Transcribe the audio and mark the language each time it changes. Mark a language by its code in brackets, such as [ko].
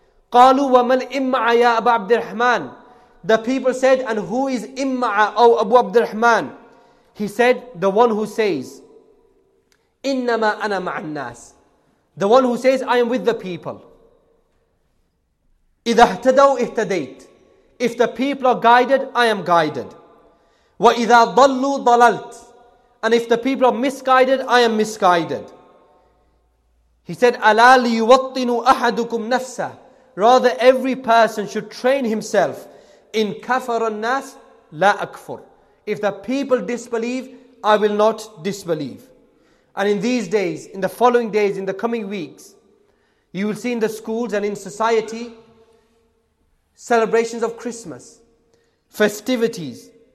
[ar] قالوا وما الإمّعَ يا أبا عبد الرحمن. [en] The people said, and who is imma'ah, O Abu Abd al-Rahman? He said, the one who says, [ar] إنما أنا مع الناس. [en] The one who says, I am with the people. [ar] إِذَا اهْتَدَوْا اهْتَدَيْتْ. [en] If the people are guided, I am guided. [ar] وَإِذَا ضَلُّوا ضَلَلْتْ. [en] And if the people are misguided, I am misguided. He said, [ar] أَلَا لِيُوَطِّنُوا أَحَدُكُمْ نَفْسَهُ. [en] Rather, every person should train himself. [ar] إِنْ كَفَرَ النَّاسِ لَا أَكْفُرْ. [en] If the people disbelieve, I will not disbelieve. And in these days, in the following days, in the coming weeks, you will see in the schools and in society, celebrations of Christmas, festivities.